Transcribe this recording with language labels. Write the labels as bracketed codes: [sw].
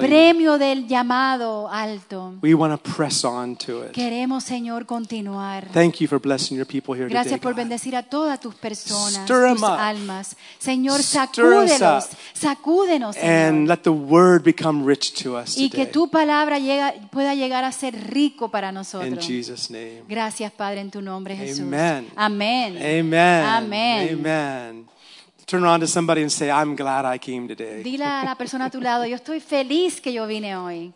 [es] El premio del llamado alto. [en] We want to press on to it. [es] Queremos, Señor, continuar. [en] Thank you for blessing your people here [es] gracias por bendecir [en] God. [es] A todas tus personas, [en] stir [es] tus almas. Señor, sacúdenos, sacúdenos, Señor. [en] And let the word become rich to us [es] y [en] today. [es] Que tu palabra pueda llegar a ser rico para nosotros. [en] In Jesus' name. [es] Gracias, Padre, en tu nombre, Jesús. [en] Amen. Amen. Amen. Amen. Amen. Turn around to somebody and say, I'm glad I came today. [es] Dile a la persona a tu lado, yo estoy feliz que yo vine hoy.